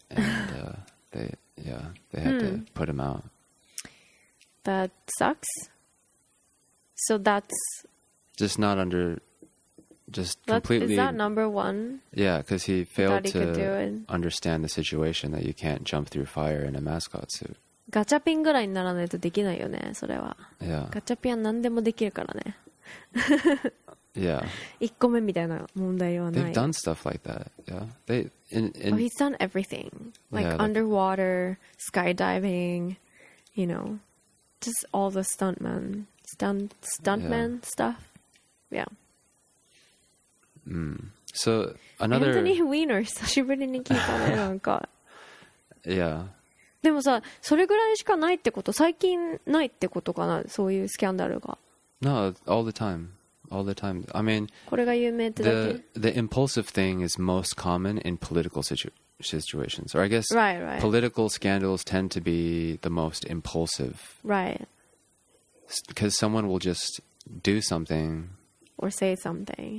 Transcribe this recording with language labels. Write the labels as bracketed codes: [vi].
[en] And they had to put him out. That sucks. So that's... Just not under... Just completely... Is that number one? Yeah, because he failed to understand the situation that you can't jump through fire in a mascot suit. [ja] ガチャピンぐらいにならないとできないよね、それは。 [en] Yeah. [ja] ガチャピンは何でもできるからね。 [en] Yeah. [ja] 1個目みたいな問題はない。 [en] They've done stuff like that, yeah. Oh, he's done everything. Like underwater, skydiving, you know. Just all the stuntmen. Stuntman stuff. Yeah. Mm. So another... [ja] Anthony Weiner, 久しぶりに聞いたね、なんか。 [en] Yeah. [ja] でもさ、それぐらいしかないってこと、最近ないってことかな、そういうスキャンダルが。 [en] No, all the time. All the time. I mean... [ja] これが有名ってだけ。 [en] The impulsive thing is most common in political situations. Or I guess political scandals tend to be the most impulsive. Right. Because someone will just do something. Or say something.